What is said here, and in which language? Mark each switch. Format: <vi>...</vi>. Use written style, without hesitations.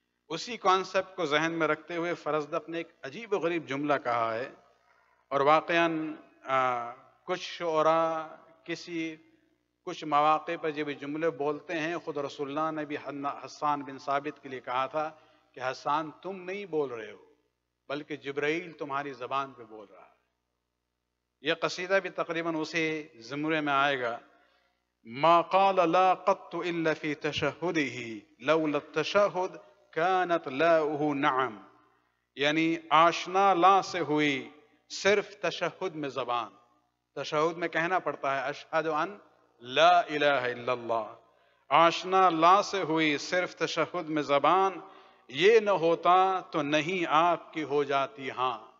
<ur>اسی کانسیپٹ کو ذہن میں رکھتے ہوئے فرزدق نے ایک عجیب و غریب جملہ کہا ہے, اور واقعاً کچھ شعرا کسی کچھ مواقع پر جب بھی جملے بولتے ہیں, خود رسول اللہ نے بھی حسان بن ثابت کے لیے کہا تھا کہ حسان تم نہیں بول رہے ہو بلکہ جبرائیل تمہاری زبان پہ بول رہا ہے. یہ قصیدہ بھی تقریباً اسی زمرے میں آئے گا.</ur> <ar>ما قال لا قط الا في تشهده لولا التشهد كانت لاؤه نعم.</ar> <ur>یعنی آشنا لا سے ہوئی صرف تشہد میں زبان. تشہد میں کہنا پڑتا ہے</ur> <ar>اشہد ان لا الہ الا اللہ.</ar> <ur>آشنا لا سے ہوئی صرف تشہد میں زبان, یہ نہ ہوتا تو نہیں آپ کی ہو جاتی ہاں.</ur>